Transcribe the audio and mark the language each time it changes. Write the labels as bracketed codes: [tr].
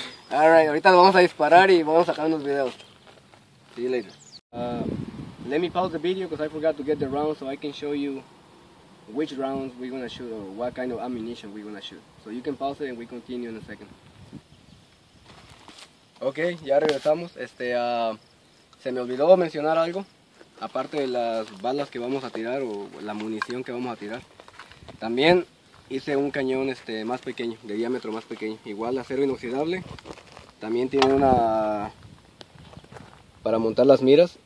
[es] All right, ahorita vamos a disparar y vamos a sacar unos videos. [en] See you later. Let me pause the video because I forgot to get the rounds so I can show you which rounds we're gonna shoot or what kind of ammunition we're gonna shoot. So you can pause it and we continue in a second. [es] Okay, ya regresamos. Se me olvidó mencionar algo, aparte de las balas que vamos a tirar o la munición que vamos a tirar. También hice un cañón más pequeño, de diámetro más pequeño, igual acero inoxidable. También tiene una para montar las miras.